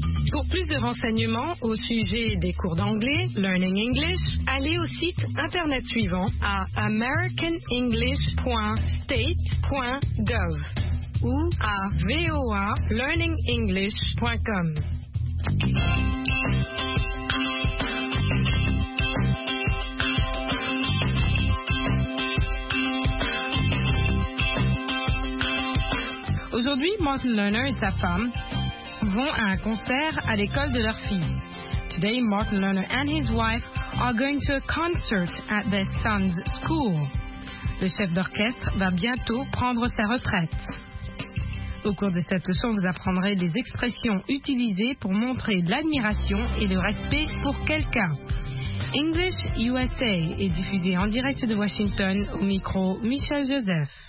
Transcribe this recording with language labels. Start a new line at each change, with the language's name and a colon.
French: Pour plus de renseignements au sujet des cours d'anglais, Learning English, allez au site internet suivant à americanenglish.state.gov ou à voalearningenglish.com. Aujourd'hui, Martin Lerner et sa femme vont à un concert à l'école de leur fille.
English: Today, Martin Lerner and his wife are going to a concert at their son's school.
French: Le chef d'orchestre va bientôt prendre sa retraite. Au cours de cette leçon, vous apprendrez les expressions utilisées pour montrer l'admiration et le respect pour quelqu'un. English USA est diffusé en direct de Washington au micro Michel Joseph.